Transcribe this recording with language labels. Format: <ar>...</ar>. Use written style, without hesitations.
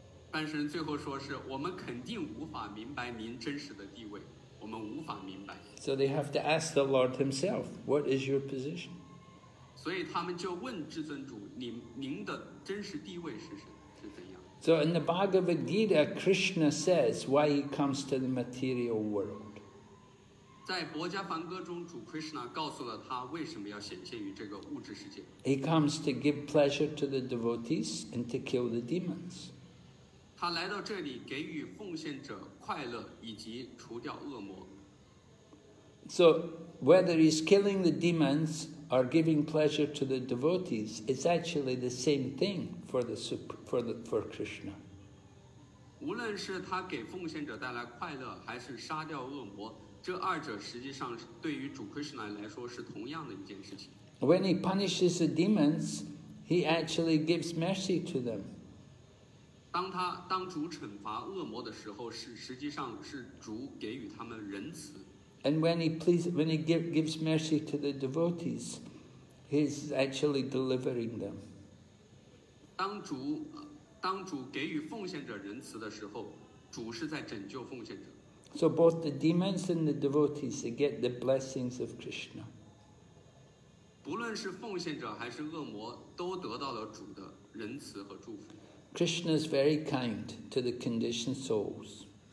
<zh>半神最后说是，我们肯定无法明白您真实的地位，我们无法明白。</zh> <en>So they have to ask the Lord himself, what is your position?</en> <zh>所以他们就问至尊主，您的真实地位是怎样。</zh> <en>So in the Bhagavad Gita, Krishna says why he comes to the material world.</en> <zh>在《博迦梵歌》中，主 Krishna 告诉了他为什么要显现于这个物质世界。</zh> <en>He comes to give pleasure to the devotees and to kill the demons.</en> <zh>他来到这里给予奉献者快乐以及除掉恶魔。</zh> <en>So whether he's killing the demons or giving pleasure to the devotees, it's actually the same thing for Krishna.</en> <zh>无论是他给奉献者带来快乐还是杀掉恶魔，这二者实际上对于主 Krishna 来说是同样的一件事情。</zh> <en>When he punishes the demons, he actually gives mercy to them.</en> <zh>当主惩罚恶魔的时候，实际上是主给予他们仁慈。</zh> <en>And when he pleases, when he gives mercy to the devotees, he's actually delivering them.</en> <zh>当主给予奉献者仁慈的时候，主是在拯救奉献者。</zh> <en>So both the demons and the devotees, they get the blessings of Krishna.</en> <zh>不论是奉献者还是恶魔，都得到了主的仁慈和祝福。</zh> <en>Krishna is very kind to the conditioned souls.</en>